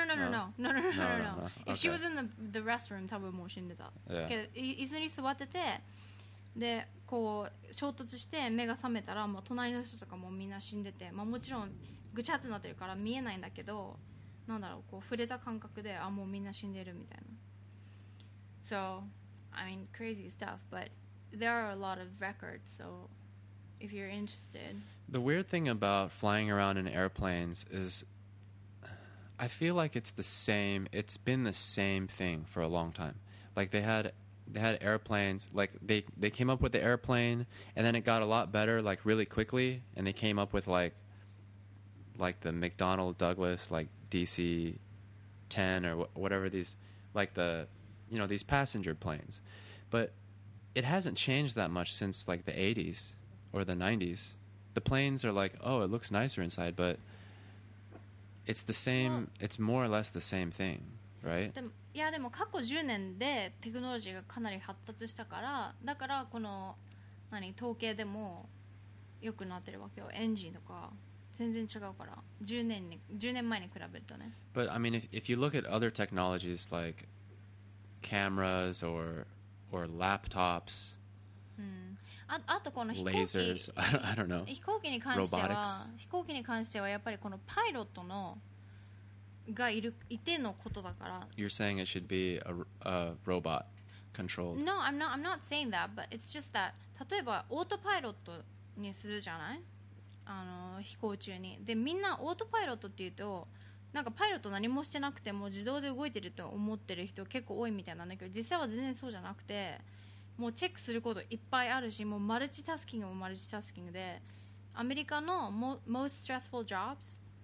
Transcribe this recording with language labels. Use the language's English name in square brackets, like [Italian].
[English] No. Okay. If she was in the restroom, [Japanese] 多分もう死んでた。 [English] Yeah. [Japanese] 椅子に座ってて、でこう衝突して目が覚めたら、まあ、隣の人とかもみんな死んでて、まあ、もちろんぐちゃってなってるから見えないんだけど、なんだろう、こう触れた感覚で、あ、もうみんな死んでるみたいな。 [English] So, I mean, crazy stuff, but there are a lot of records, so... If you're interested. The weird thing about flying around in airplanes is I feel like it's the same. It's been the same thing for a long time. Like they had airplanes, like they came up with the airplane, and then it got a lot better like really quickly, and they came up with like the McDonnell Douglas, like DC-10 or whatever, these like the, you know, these passenger planes. But it hasn't changed that much since like the 80s. Or the 90s, the planes are like, oh, it looks nicer inside, but it's the same, it's more or less the same thing, right? [Japanese] でも、いやでも過去10年でテクノロジーがかなり発達したから、だからこの何統計でも良くなってるわけよ。エンジンとか全然違うから、10年前に比べるとね。 [English] But I mean, if you look at other technologies like cameras or laptops, [Japanese] あとこの飛行機、 [English] lasers, I don't know. [Japanese] 飛行機に関しては、Robotics. 飛行機に関してはやっぱりこのパイロットのがいるいてのことだから。 [English] You're saying it should be a robot controlled. No, I'm not saying that, but it's just that [Japanese] 例えばオートパイロットにするじゃない？あの飛行中にでみんなオートパイロットっていうとなんかパイロット何もしてなくても自動で動いてると思ってる人結構多いみたいなんだけど実際は全然そうじゃなくてもうチェックすることいっぱいあるしもうマルチタスキングもマルチタスキングでアメリカの [English] most stressful jobs